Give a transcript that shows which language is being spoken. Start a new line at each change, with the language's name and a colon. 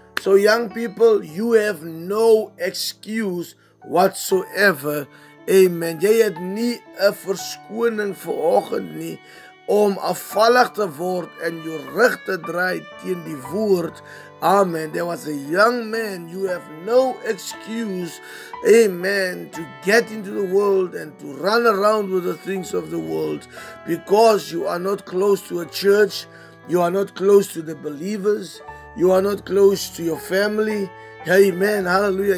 English: So young people, you have no excuse whatsoever. Amen.
Afrikaans: Jy het nie 'n verskoning vanoggend nie om afvallig te word en jou rug te draai teen die woord.
English: Amen. There was a young man. You have no excuse, amen, to get into the world and to run around with the things of the world because you are not close to a church. You are not close to the believers. You are not close to your family. Amen. Hallelujah.